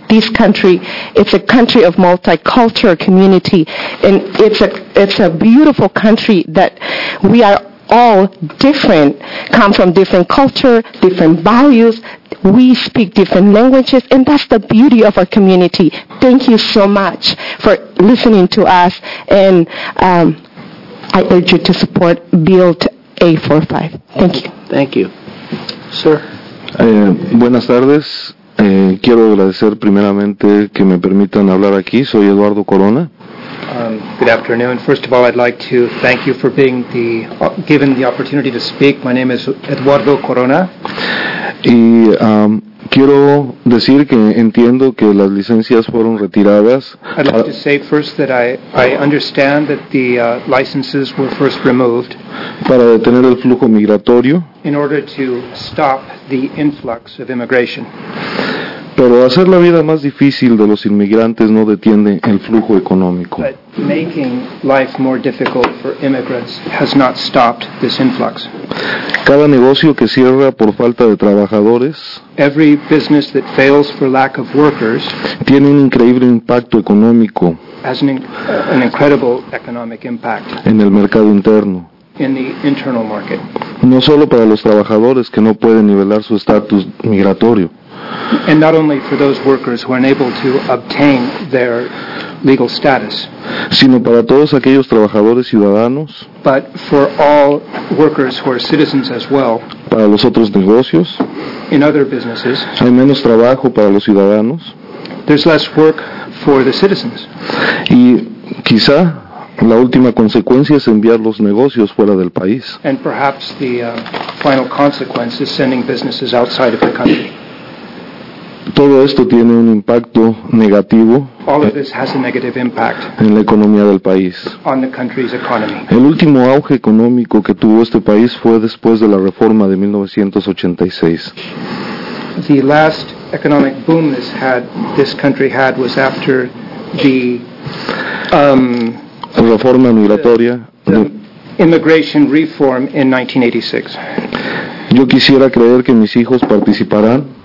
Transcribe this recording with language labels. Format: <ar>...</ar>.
<en>This country, it's a country of multicultural community, and it's a beautiful country that we are all different, come from different culture, different values. We speak different languages, and that's the beauty of our community. Thank you so much for listening to us, and I urge you to support Bill 845. Thank you. Thank you. Sir.</en> <es>Buenas tardes. Quiero agradecer primeramente que me permitan hablar aquí. Soy Eduardo Corona.</es> <en>Good afternoon. First of all, I'd like to thank you for being given the opportunity to speak. My name is Eduardo Corona.</en> <es>Y quiero decir que entiendo que las licencias fueron retiradas.</es> <en>I'd like to say first that I understand that the licenses were first removed.</en> <es>Para detener el flujo migratorio.</es> <en>In order to stop the influx of immigration.</en> <es>Pero hacer la vida más difícil de los inmigrantes no detiene el flujo económico.</es> <en>But making life more difficult for immigrants has not stopped this influx.</en> <es>Cada negocio que cierra por falta de trabajadores,</es> <en>every business that fails for lack of workers,</en> <es>tiene un increíble impacto económico,</es> <en>has an incredible economic impact,</en> <es>en el mercado interno.</es> <en>In the internal market.</en> <es>No solo para los trabajadores que no pueden nivelar su estatus migratorio.</es> <en>And not only for those workers who are unable to obtain their legal status,</en> <es>sino para todos aquellos trabajadores ciudadanos,</es> <en>but for all workers who are citizens as well,</en> <es>para los otros negocios,</es> <en>in other businesses,</en> <es>hay menos trabajo para los ciudadanos,</es> <en>there's less work for the citizens.</en> <es>Y quizá la última consecuencia es enviar los negocios fuera del país.</es> <en>And perhaps the final consequence is sending businesses outside of the country.</en> <es>Todo esto tiene un impacto negativo en la economía del país. El último auge económico que tuvo este país fue después de la reforma de 1986.</es> <en>The last economic boom this country had was after the</en> <es>reforma migratoria,</es> <en>the immigration reform in 1986.</en> <es>Yo quisiera creer que mis hijos participarán.</es>